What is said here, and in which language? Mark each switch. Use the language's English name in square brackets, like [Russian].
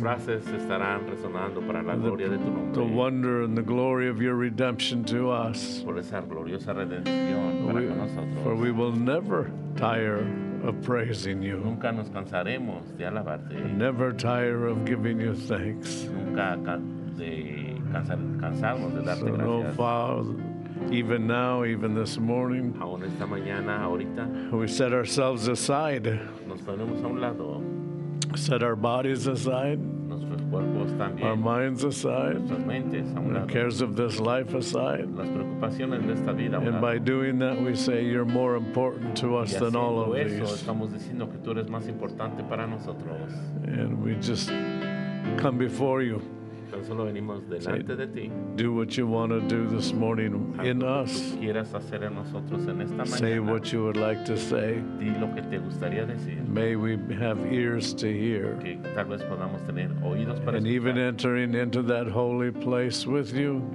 [Spanish] frases estarán resonando para la gloria de tu nombre. [English] The wonder and the glory of your redemption to us. [Spanish] Por esa gloriosa redención para con nosotros. [English] For we will never tire. Of praising you. [Spanish] Nunca nos cansaremos de alabarte. [English] Never tire of giving you thanks. [Spanish] Nunca de cansarnos de darte [English] so [Spanish] gracias. [English] No, Father, even now, even this morning, [Spanish] aún esta mañana, ahorita, [English] we set ourselves aside. [Spanish] Nos ponemos a un lado. [English] Set our bodies aside. [Spanish] Nuestros cuerpos también. [English] Our minds aside. [Spanish] Nuestras mentes a un lado. [English] The cares of this life aside. [Spanish] Las preocupaciones de esta vida. [English] And by doing that, we say you're more important to us than all of [Spanish] eso, [English] these. [Spanish] Estamos diciendo que tú eres más importante para nosotros. [English] And we just come before you. [Spanish] Tan solo venimos delante de ti. [English] Do what you want to do this morning in us. [Spanish] Quieras hacer en nosotros en esta mañana. [English] Say what you would like to say. [Spanish] Di lo que te gustaría decir. [English] May we have ears to hear. [Spanish] Que tal vez podamos tener oídos para [English] and [Spanish] escuchar. [English] Even entering into that holy place with you.